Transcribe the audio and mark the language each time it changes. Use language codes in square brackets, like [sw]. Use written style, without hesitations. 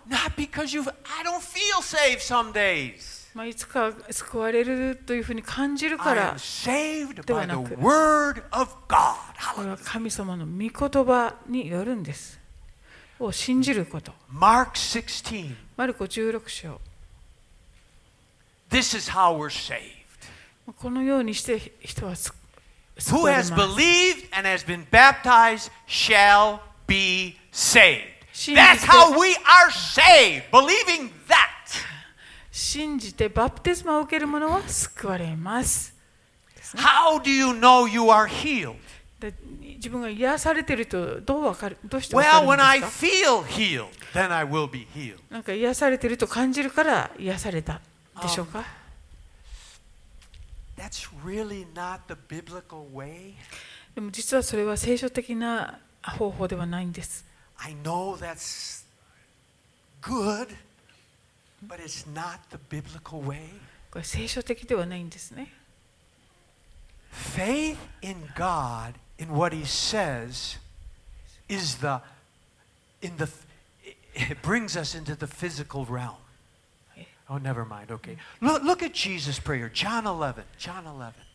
[en] Not because you've, I don't feel saved some days. [ja] まあいつか救われるというふうに感じるからではなく、 [en] I am saved by the word of God. [ja] これは神様の御言葉によるんです。を信じること。 [en] Mark 16. [ja] マルコ16章。 [en] This is how we're saved. [ja] このようにして人は救われる。 [en] Who has believed and has been baptized shall be saved. [ja] 信じて。 [en] That's how we are saved, believing that. [ja] 信じてバプテスマを受ける者は救われます。 [en] How do you know you are healed? [ja] 自分が癒されているとどうわかる、どうしてわかるんですか? [en] Well, when I feel healed, then I will be healed. [ja] なんか癒されていると感じるから癒されたでしょうか? [en] That's really not the biblical way. [ja] でも実はそれは聖書的な方法ではないんです。 [en] I know that's good, but it's not the biblical way. [ja] これ聖書的ではないんですね。 [en] Faith in God, in what He says, is the, in the, it brings us into the physical realm. Oh, never mind. Okay. Look, look at Jesus' prayer, John 11. John 11.